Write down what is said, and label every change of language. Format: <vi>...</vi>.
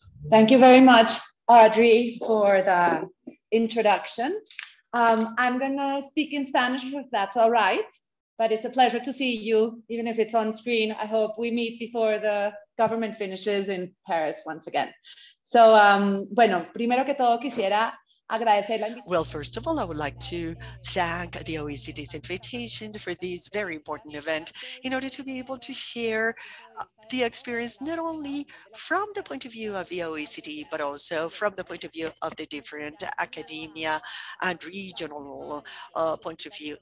<en>Thank you very much, Audrey, for the introduction. I'm gonna speak in Spanish, if that's all right. But it's a pleasure to see you, even if it's on screen. I hope we meet before the government finishes in Paris once again.</en> <es>So, bueno, primero que todo quisiera agradecer la invitación.</es> <en>Well, first of all, I would like to thank the OECD's invitation for this very important event in order to be able to share the experience, not only from the point of view of the OECD, but also from the point of view of the different academia and regional points of view.</en>